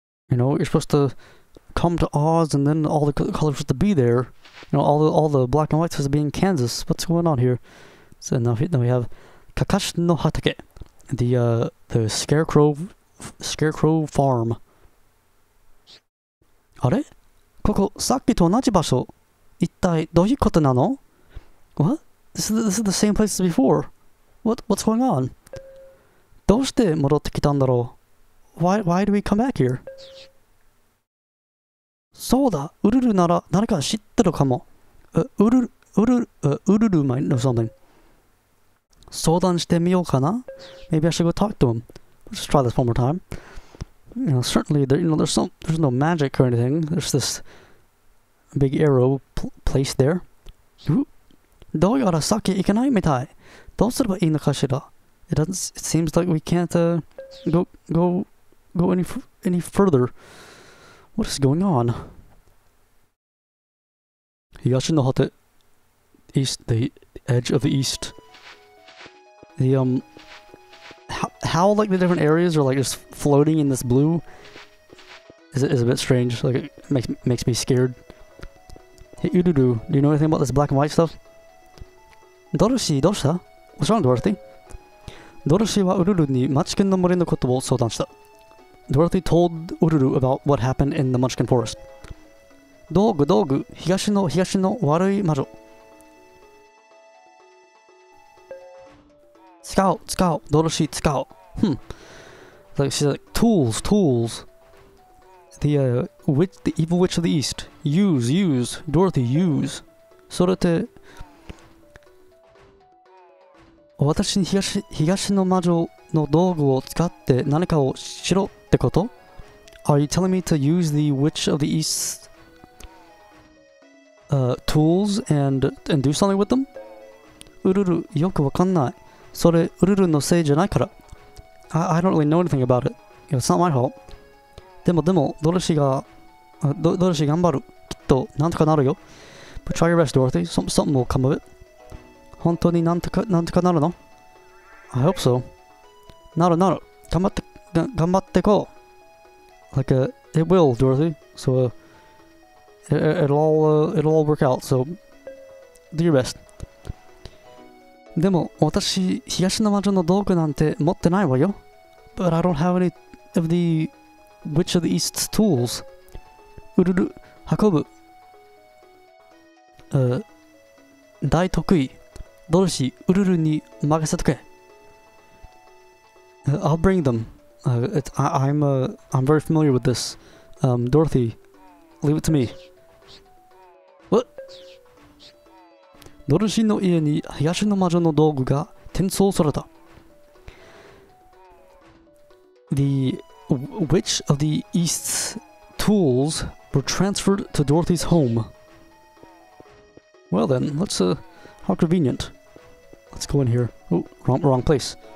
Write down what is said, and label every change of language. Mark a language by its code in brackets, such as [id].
[en] You know, you're supposed to come to Oz and then all the colors supposed to be there. You know, all the black and white supposed to be in Kansas. What's going on here? So now we have Kakashi no Hatake, the scarecrow farm. [ja] あれ? ここさっきと同じ場所。一体どういうことなの? [en] What? This is the same place as before. What's going on? [ja] どうして戻ってきたんだろう? [en] Why do we come back here? [ja] そうだ、ウルルなら誰か知ってるかも。 [en] ウルル might know something. [ja] 相談してみようかな? [en] Maybe I should go talk to him. Let's try this one more time. You know, certainly, there's no magic or anything. There's this big arrow placed there. [ja] どうやら先行けないみたい。どうすればいいのかしら? [en] It seems like we can't go any further. What is going on? [ja] 東の果て [en] east, the edge of the east. The how like the different areas are like just floating in this blue is a bit strange. Like it makes me scared. Hey, Ududu, do you know anything about this black and white stuff? [ja] Dorothy, どうした? [en] What's wrong, Dorothy? [ja] Dorothy はウルルにマチキンの森のことを相談した。 [en] Dorothy told Ududu about what happened in the Munchkin Forest. [ja] 道具道具、東の悪い魔女。使おう、Dorothy 使おう。 [en] Hmm. Like, she's like, tools. The witch, the evil witch of the east. Use, Dorothy, use. [ja] それって私に東の魔女の道具を使って何かをしろってこと? [en] Are you telling me to use the witch of the east tools and do something with them? [ja] うるる、よくわかんない。それうるるのせいじゃないから。 [en] I don't really know anything about it. You know, it's not my fault. [ja] でも、ドルシーが頑張る。きっと、なんとかなるよ。 [en] But try your best, Dorothy. Something will come of it. [ja] 本当になんとか、なんとかなるの? [en] I hope so. [ja] なるなる。頑張って、頑張ってこう。 [en] Like, it will, Dorothy. So, it'll all work out. So, do your best. [ja] でも、私、東の魔女の道具なんて持ってないわよ。 [en] But I don't have any of the Witch of the East's tools. [ja] うるる、運ぶ。大得意。ドルシー、ウルルに任せとけ。 [en] I'll bring them. I'm very familiar with this. Dorothy, leave it to me. What? [ja] ドルシーの家に東の魔女の道具が転送された。 [en] The Witch of the East's tools were transferred to Dorothy's home. Well then, let's, how convenient. Let's go in here. Oh, wrong place.